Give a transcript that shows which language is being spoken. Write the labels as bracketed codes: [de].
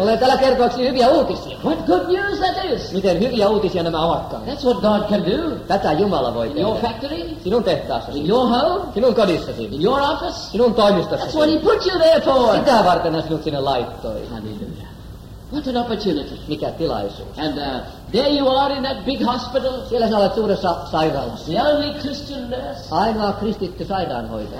[fi] Olen täällä kertoakseni hyviä uutisia. [en] What good news that is! [fi] Miten hyviä uutisia nämä ovatkaan. [en] That's what God can do. [fi] Tätä Jumala voi tehdä. [en] In your factory. [fi] Sinun tehtaassasi. [en] In your home. [fi] Sinun kodissasi. [en] In your office. [fi] Sinun toimistossasi. [en] That's what he put you there for. [fi] Sitä varten hän sinut sinne laittoi. [en] What an opportunity. [fi] Mikä tilaisuus. [en] And there you are in that big hospital. [fi] Siellä sinä olet suuressa sairaalassa. [en] The only Christian nurse. [fi] Ainoa kristitty sairaanhoitaja.